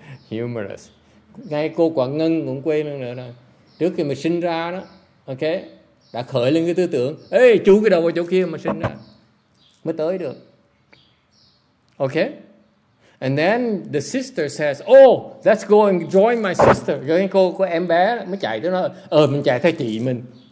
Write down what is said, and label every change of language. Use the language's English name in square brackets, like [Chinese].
[Vietnamese] Humorous. Ngay cô Quảng Ngân cũng quên luôn nữa. Trước khi mà sinh ra đó, ok, đã khởi lên cái tư tưởng, ê, chú cái đầu vào chỗ kia mà sinh ra, mới tới được. Ok. [English] And then the sister says, oh, let's go and join my sister. [Vietnamese] Rồi cô có em bé đó, mới chạy tới nó, mình chạy theo chị mình.